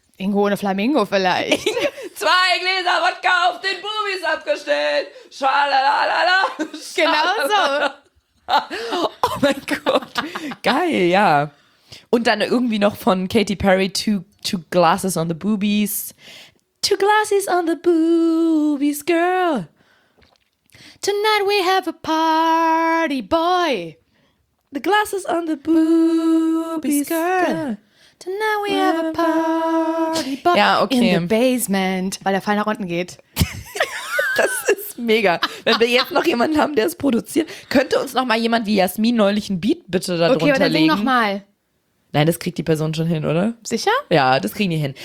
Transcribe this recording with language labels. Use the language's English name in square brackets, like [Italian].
[German] Ingo ohne Flamingo vielleicht. 2 Gläser Wodka auf den Boobies abgestellt. Schalalala. Genau so. Oh mein Gott. Geil, ja. Und dann irgendwie noch von Katy Perry 2 Glasses on the Boobies. [English] 2 Glasses on the Boobies, girl. Tonight we have a party, boy. The Glasses on the Boobies, girl. Now we have a party, but [German] ja, okay. In the basement, weil der Fall nach unten geht. Das ist mega. Wenn wir jetzt noch jemanden haben, der es produziert, könnte uns noch mal jemand wie Jasmin neulich ein Beat bitte da drunter legen? Okay, dann sing noch mal. Nein, das kriegt die Person schon hin, oder? Sicher? Ja, das kriegen die hin.